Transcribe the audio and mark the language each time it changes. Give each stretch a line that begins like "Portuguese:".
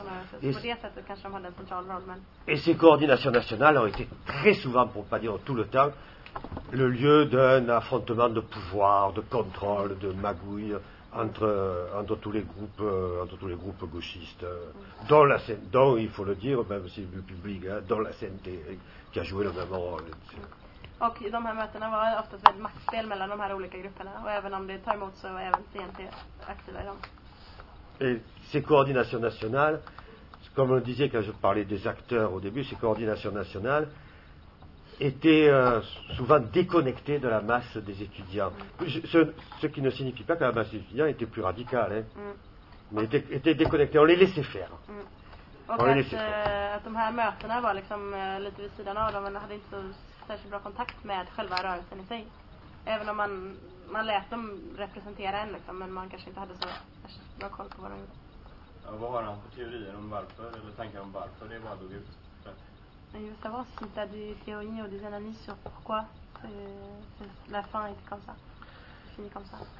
Swedish: Så på det sättet kanske de hade en central roll. Men...
French: Et ces coordinations nationales ont été très souvent, pour pas dire tout le temps, le lieu d'un affrontement de pouvoir, de contrôle, de magouille. Entre tous les groupes gauchistes, dont il faut le dire, même si c'est public, hein, dont la CNT qui a joué le même rôle.
Swedish: Och de här mötena var ofta ett maktspel mellan de här olika grupperna, och även om det tar emot så var även CNT aktiva i dem.
French: Et ces coordinations nationales, comme on disait quand je parlais des acteurs au début, ces coordinations nationales étaient souvent déconnectés de la masse des étudiants. Ce qui ne signifie pas que la masse des étudiants était plus radicale, hein. Mm. Mais était déconnectée. On les laissait faire. Mm.
Swedish: Et att de här mötena var liksom lite vid sidan av dem, men hade inte särskilt bra kontakt med själva rörelsen i sig. Även om man lät dem representera en liksom, men man kanske inte hade så bra koll på vad de gjorde. Ja, vad har han på teorier om varför, eller tankar om varför det bara dog ut?
French: Il veut savoir si tu as des théories ou des analyses sur pourquoi la fin était comme ça, finie comme ça.